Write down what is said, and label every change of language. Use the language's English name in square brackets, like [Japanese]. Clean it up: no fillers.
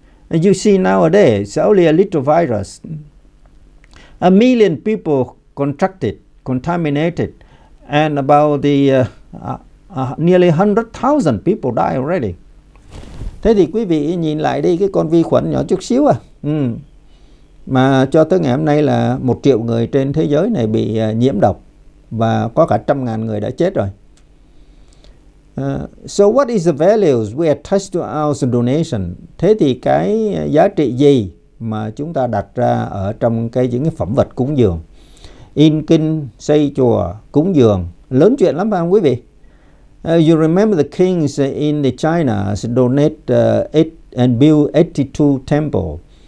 [English] You see nowadays, only a little virus. A million people contracted, contaminated, and about the nearly 100,000 people died already. [Vietnamese] Thế thì quý vị nhìn lại đi, cái con vi khuẩn nhỏ chút xíu à. Mà cho tới ngày hôm nay là 1 triệu người trên thế giới này bị nhiễm độc và có cả 100,000 người đã chết rồi. [English] So what is the values we attach to our donation? [Vietnamese] Thế thì cái giá trị gì mà chúng ta đặt ra ở trong cái những cái phẩm vật cúng dường? In kinh, xây chùa, cúng dường, lớn chuyện lắm phải không quý vị? [English] You remember the kings in the China donate and build 82 temples.